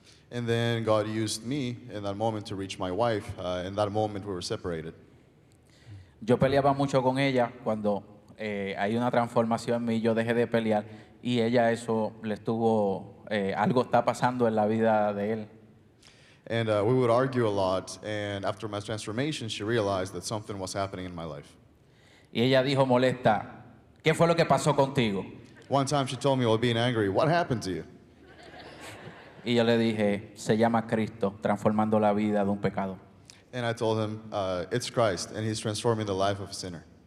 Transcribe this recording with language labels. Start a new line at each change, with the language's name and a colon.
English: And then God used me in that moment to reach my wife. In that moment we were separated.
Spanish: Yo peleaba mucho con ella cuando hay una transformación en mí, yo dejé de pelear, y ella eso le estuvo, algo está pasando en la vida de él.
English: And we would argue a lot, and after my transformation, she realized that something was happening in my life.
Spanish: Y ella dijo molesta, ¿qué fue lo que pasó contigo?
English: One time she told me, while being angry, what happened to you?
Spanish: Y yo le dije, se llama Cristo, transformando la vida de un pecado.
English: And I told him, it's Christ, and he's transforming the life of a sinner.